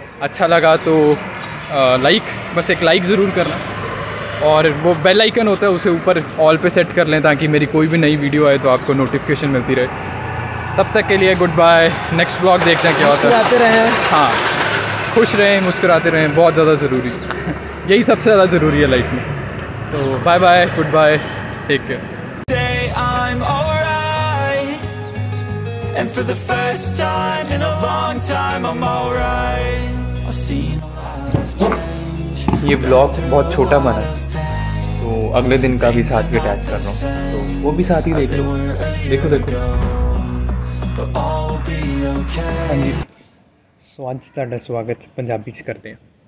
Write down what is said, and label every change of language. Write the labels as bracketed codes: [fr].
[hi] अच्छा लगा तो लाइक, बस एक लाइक ज़रूर करना, और वो बेल आइकन होता है उसे ऊपर ऑल पे सेट कर लें, ताकि मेरी कोई भी नई वीडियो आए तो आपको नोटिफिकेशन मिलती रहे। तब तक के लिए गुड बाय, नेक्स्ट ब्लॉग देखते हैं क्या होता है। रहें हाँ, खुश रहें, मुस्कुराते रहें, बहुत ज़्यादा ज़रूरी, यही सबसे ज़्यादा ज़रूरी है लाइफ में। [en] तो bye bye, good bye, take care. I'm alright, and for the first time in a long time I'm alright. I've seen a lot of change. [hi] ये ब्लॉग बहुत छोटा बना, तो अगले दिन का भी साथ ही अटैच कर रहा हूँ, तो वो भी साथ ही देख लो। देखो देखो, स्वागत है, ताड़ा स्वागत पंजाबी च करते हैं।